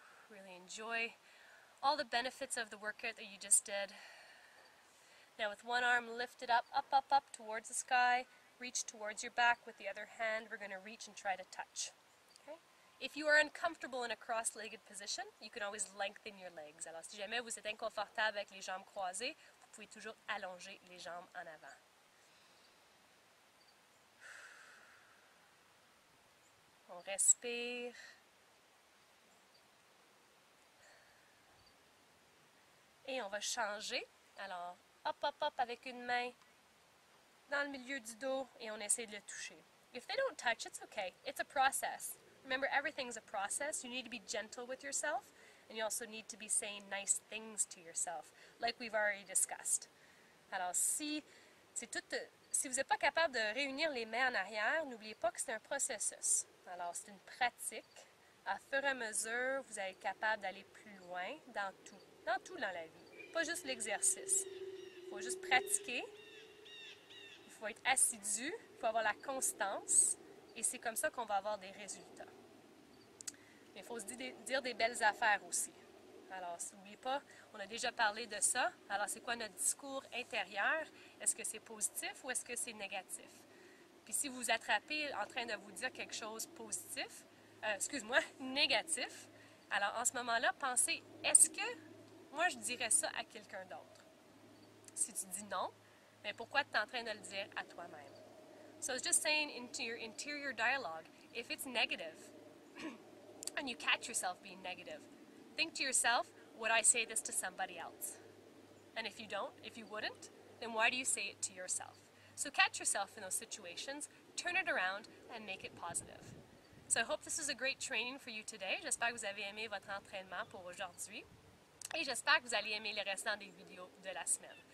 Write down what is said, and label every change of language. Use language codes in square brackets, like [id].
[en] Really enjoy all the benefits of the workout that you just did. Now with one arm lifted up, up, up, up towards the sky, reach towards your back with the other hand. We're going to reach and try to touch. If you are uncomfortable in a cross-legged position, you can always lengthen your legs. [fr] Alors, si jamais vous êtes inconfortable avec les jambes croisées, vous pouvez toujours allonger les jambes en avant. On respire. Et on va changer. Alors, hop, hop, hop, avec une main dans le milieu du dos et on essaie de le toucher. [en] If they don't touch, it's okay. It's a process. Remember, everything's a process. You need to be gentle with yourself, and you also need to be saying nice things to yourself, like we've already discussed. [fr] Alors, si vous n'êtes pas capable de réunir les mains en arrière, n'oubliez pas que c'est un processus. Alors, c'est une pratique. À fur et à mesure, vous allez être capable d'aller plus loin dans tout dans la vie, pas juste l'exercice. Il faut juste pratiquer, il faut être assidu, il faut avoir la constance. Et c'est comme ça qu'on va avoir des résultats. Mais il faut se dire des belles affaires aussi. Alors, n'oubliez pas, on a déjà parlé de ça. Alors, c'est quoi notre discours intérieur? Est-ce que c'est positif ou est-ce que c'est négatif? Puis si vous vous attrapez en train de vous dire quelque chose positif, négatif, alors en ce moment-là, pensez, est-ce que moi je dirais ça à quelqu'un d'autre? Si tu dis non, mais pourquoi tu es en train de le dire à toi-même? [en] So it's just saying into your interior dialogue, if it's negative, and you catch yourself being negative, think to yourself, would I say this to somebody else? And if you don't, if you wouldn't, then why do you say it to yourself? So catch yourself in those situations, turn it around, and make it positive. So I hope this is a great training for you today. [fr] J'espère que vous avez aimé votre entraînement pour aujourd'hui. Et j'espère que vous allez aimer les restants des vidéos de la semaine.